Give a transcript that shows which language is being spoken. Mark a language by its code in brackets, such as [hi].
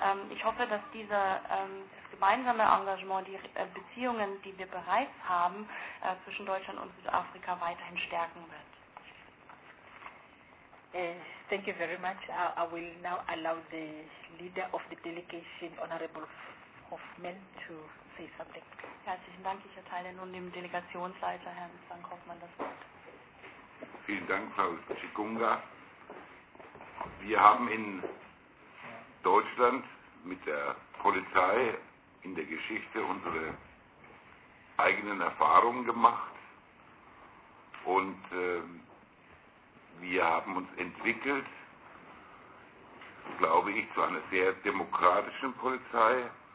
[de] Ich hoffe, dass dieser gemeinsame Engagement, die Beziehungen, die wir bereits haben, zwischen Deutschland und Südafrika weiterhin stärken wird. [en] Thank you very much. I will now allow the leader of the delegation, Honorable Hoffmann, to say something. [de] Herzlichen Dank. Ich erteile nun dem Delegationsleiter, Herrn Frank Hoffmann, das Wort. Vielen Dank, Frau Chigunga. Wir haben in Deutschland mit der Polizei in der Geschichte unsere eigenen Erfahrungen gemacht und wir haben uns entwickelt, glaube ich, zu einer sehr demokratischen Polizei